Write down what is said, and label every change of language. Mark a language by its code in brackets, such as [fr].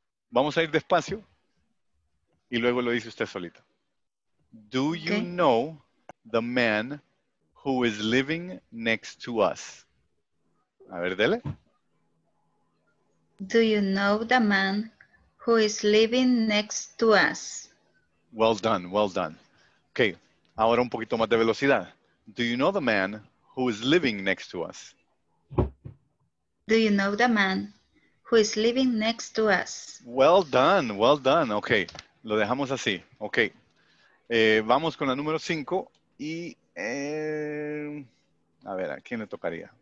[es] Vamos a ir despacio y luego lo dice usted solito. [en] Do you okay. know the man who is living next to us? [es] A ver, dele. [en] Do you know the man who is living next to us? Well done, well done. [es] Okay, ahora un poquito más de velocidad. [en] Do you know the man who is living next to us? Do you know the man who is living next to us? Well done, well done. Okay, [es] lo dejamos así. [en] Okay. [es] Vamos con la número 5 y a ver, ¿a quién le tocaría?